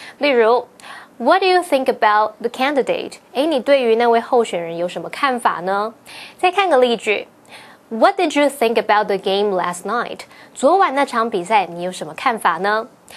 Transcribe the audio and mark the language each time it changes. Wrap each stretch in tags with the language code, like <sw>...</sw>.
<zh>例如</zh> <en>What do you think about the candidate?</en> <zh>诶，你对于那位候选人有什么看法呢？再看个例句。</zh> <en>What did you think about the game last night?</en> <zh>昨晚那场比赛你有什么看法呢？</zh>